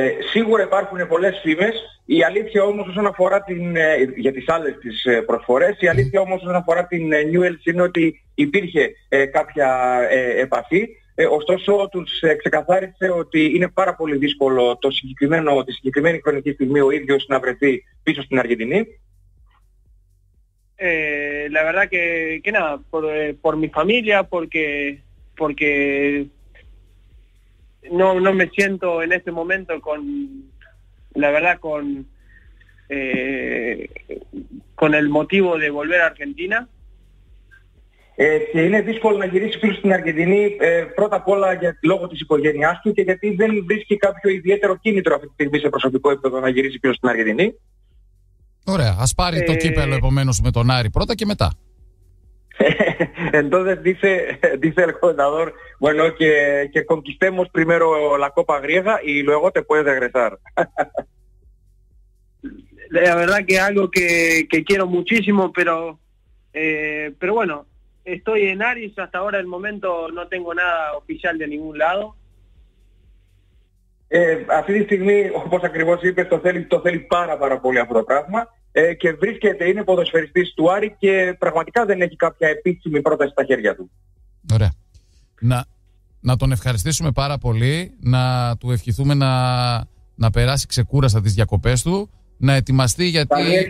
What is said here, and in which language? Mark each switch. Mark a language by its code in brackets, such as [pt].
[el] Σίγουρα υπάρχουν πολλές φήμες, η αλήθεια όμως όσον αφορά την, για τις άλλες τις προσφορές, η αλήθεια όμως όσον αφορά την Newell's είναι ότι υπήρχε κάποια επαφή, ωστόσο τους ξεκαθάρισε ότι είναι πάρα πολύ δύσκολο τη συγκεκριμένη χρονική στιγμή ο ίδιος να βρεθεί πίσω στην Αργεντινή. [es] La verdad que nada, por mi familia, porque no me siento en este momento con, la verdad, con el motivo de volver a Argentina. [el] Και είναι δύσκολο να γυρίσει πίσω στην Αργεντινή, πρώτα απ' όλα για λόγω της οικογένειάς του και γιατί δεν βρίσκει κάποιο ιδιαίτερο κίνητρο αυτή τη στιγμή σε προσωπικό επίπεδο να γυρίσει πίσω στην Αργεντινή. Ωραία, ας πάρει το κύπελο επομένως με τον Άρη πρώτα και μετά. [es] Entonces dice el contador, bueno, que conquistemos primero la Copa Griega y luego te puedes regresar. La verdad que algo que quiero muchísimo, pero bueno, estoy en Aris, hasta ahora el momento no tengo nada oficial de ningún lado. [el] Αυτή τη στιγμή, όπως ακριβώς είπες, το θέλει πάρα πάρα πολύ αυτό το πράγμα. Και βρίσκεται, είναι ποδοσφαιριστής του Άρη και πραγματικά δεν έχει κάποια επίσημη πρόταση στα χέρια του. Ωραία. Να τον ευχαριστήσουμε πάρα πολύ, να του ευχηθούμε να περάσει ξεκούραστα τις διακοπές του, να ετοιμαστεί γιατί...